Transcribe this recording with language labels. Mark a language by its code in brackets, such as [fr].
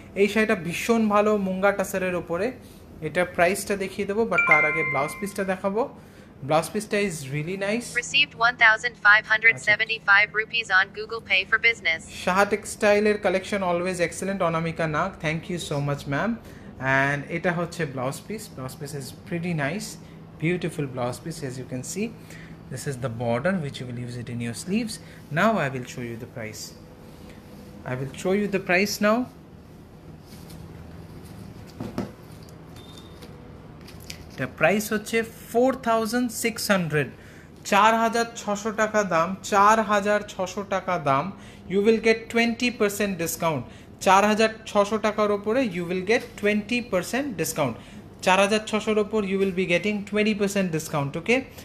[bn] এই শাড়িটা ভীষণ ভালো মুঙ্গা টাসারের ওপরে, এটার প্রাইসটা দেখিয়ে দেবো, বাট তার আগে ব্লাউজ পিসটা দেখাবো। [en] Blouse piece ta is really nice. Received 1575 rupees on Google Pay for business. Shah textile collection always excellent. Onamika Nag, thank you so much ma'am. [bn] And eta hoche blouse piece. [en] Blouse piece is pretty nice. Beautiful blouse piece, as you can see. This is the border which you will use it in your sleeves. Now I will show you the price. I will show you the price now. [bn] এটা price হচ্ছে 4,600, 4,600 টাকা দাম, 4,600 টাকা দাম, [en] you will get 20% discount, [bn] 4,600 টাকার ওপরে you will get 20% discount, 4,600-র ওপর [en] you will be getting 20% discount, [bn] okay?